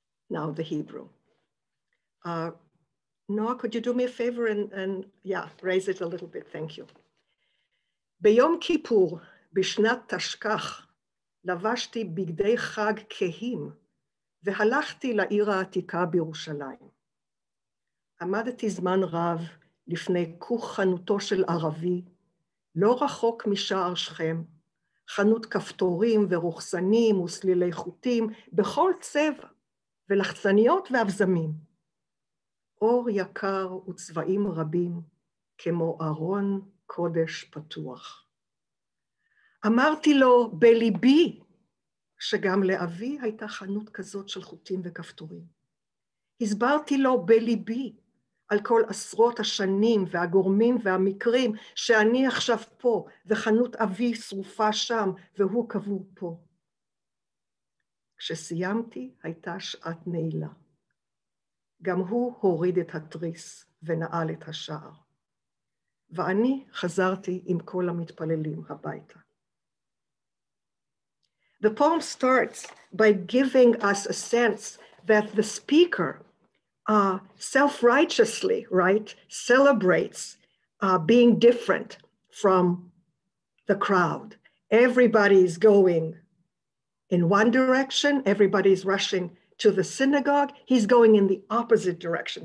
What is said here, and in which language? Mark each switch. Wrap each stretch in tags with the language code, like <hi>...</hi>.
<en>Now the Hebrew. Noah, could you do me a favor and raise it a little bit? Thank you.</en> <he>Beyom Kippur, Bishnat Tashkach, Lavashti Bigdei Chag Kehim, והלכתי לעיר העתיקה בירושלים. עמדתי זמן רב לפני כוך חנותו של ערבי, לא רחוק משער שכם, חנות כפתורים ורוחסנים וסלילי חוטים בכל צבע, ולחצניות ואבזמים. אור יקר וצבעים רבים, כמו ארון קודש פתוח. אמרתי לו בליבי, שגם לאבי הייתה חנות כזאת של חוטים וכפתורים. הסברתי לו בליבי על כל עשרות השנים והגורמים והמקרים שאני עכשיו פה, וחנות אבי שרופה שם, והוא קבור פה. כשסיימתי הייתה שעת נעילה. גם הוא הוריד את התריס ונעל את השער. ואני חזרתי עם כל המתפללים הביתה.</he> <en>The poem starts by giving us a sense that the speaker self-righteously, right, celebrates being different from the crowd. Everybody's going in one direction, everybody's rushing to the synagogue, he's going in the opposite direction.</en>